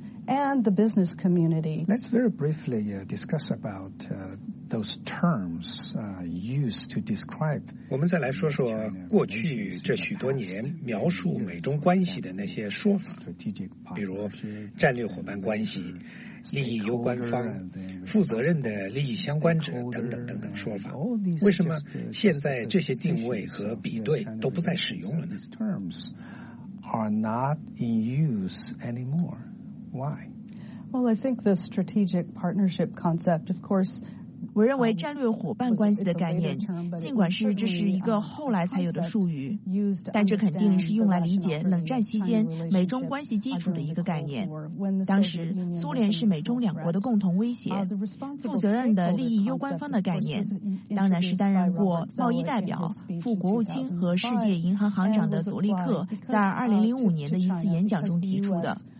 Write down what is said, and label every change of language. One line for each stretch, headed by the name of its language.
English: And the business community. Let's very briefly discuss about those terms used to describe.
Chinese: 我们再来说说过去这许多年描述美中关系的那些说法，比如战略伙伴关系、利益攸关方、负责任的利益相关者等等等等说法。为什么现在这些定位和比对都不再使用了呢
English: ？Terms are not in use anymore. Why? Well, I think the strategic partnership concept, of course,
Chinese: 我认为战略伙伴关系的概念，尽管是这是一个后来才有的术语，但这肯定是用来理解冷战期间美中关系基础的一个概念。当时苏联是美中两国的共同威胁，负责任的利益攸关方的概念当然是担任过贸易代表、副国务卿和世界银行行长的佐利克在2005年的一次演讲中提出的。